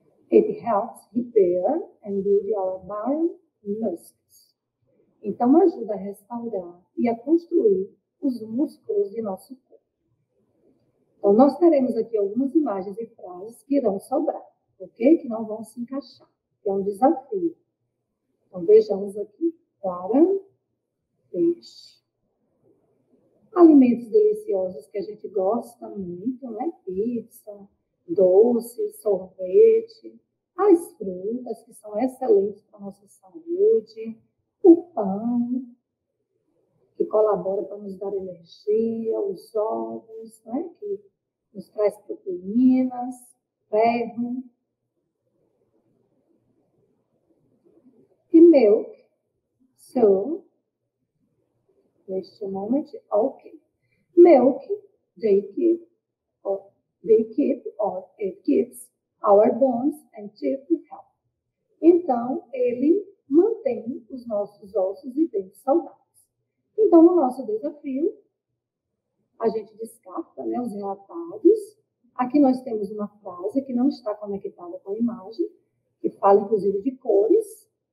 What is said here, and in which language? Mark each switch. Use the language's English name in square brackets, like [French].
[English] It helps repair and build our bone muscles. [Portuguese] Então, ajuda a restaurar e a construir os músculos de nosso corpo. Então, nós teremos aqui algumas imagens e frases que irão sobrar, ok? Que não vão se encaixar, que é um desafio. Então, vejamos aqui. Para, peixe. Alimentos deliciosos que a gente gosta muito, né? Pizza, doce, sorvete. As frutas, que são excelentes para a nossa saúde. O pão, que colabora para nos dar energia. Os ovos, né? Que nos traz proteínas, ferro. E milk, So, neste moment, ok. [English] Milk, they keep or it keeps our bones and teeth healthy. [Portuguese] Então, ele mantém os nossos ossos e dentes saudáveis. Então, o nosso desafio, a gente descarta, né, os enlatados. Aqui nós temos uma frase que não está conectada com a imagem, que fala inclusive de cores.